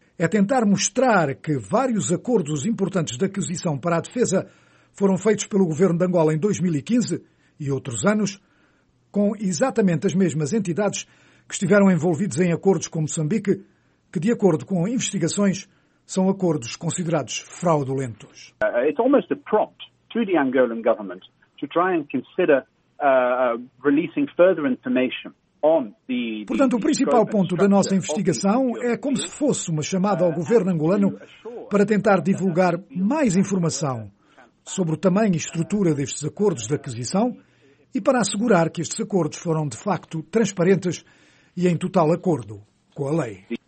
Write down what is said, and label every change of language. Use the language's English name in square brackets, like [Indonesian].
[Portuguese] É tentar mostrar que vários acordos importantes de aquisição para a defesa foram feitos pelo governo de Angola em 2015 e outros anos, com exatamente as mesmas entidades que estiveram envolvidas em acordos com Moçambique, que, de acordo com investigações, são acordos considerados fraudulentos. [English] It's almost a prompt to the Angolan government to try and consider releasing further information on the. [Portuguese] Portanto, o principal ponto da nossa investigação é como se fosse uma chamada ao governo angolano para tentar divulgar mais informação sobre o tamanho e estrutura destes acordos de aquisição e para assegurar que estes acordos foram de facto transparentes e em total acordo com a lei.